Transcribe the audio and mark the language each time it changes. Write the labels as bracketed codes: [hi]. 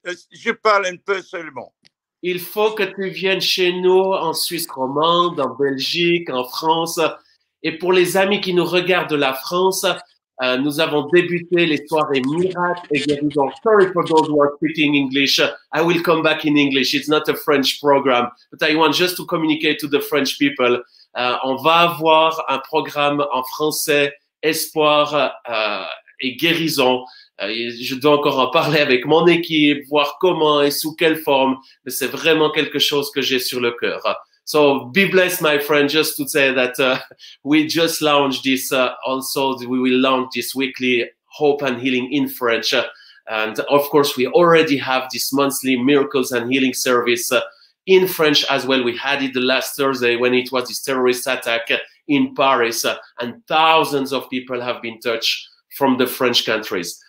[fr] Je parle un peu seulement. Il faut que tu viennes chez nous en Suisse romande, en Belgique, en France. Et pour les amis qui nous regardent de la France, nous avons débuté les soirées miracles et guérisons. [en] Sorry for those who are speaking English. I will come back in English. It's not a French program. But I want just to communicate to the French people. [fr] On va avoir un programme en français, espoir et guérison. Je dois encore en parler avec mon équipe, voir comment et sous quelle forme. Mais c'est vraiment quelque chose que j'ai sur le cœur. [en] So be blessed, my friend, just to say that we just launched this, also we will launch this weekly Hope and Healing in French. And of course, we already have this monthly Miracles and Healing service in French as well. We had it the last Thursday when it was this terrorist attack in Paris, and thousands of people have been touched from the French countries.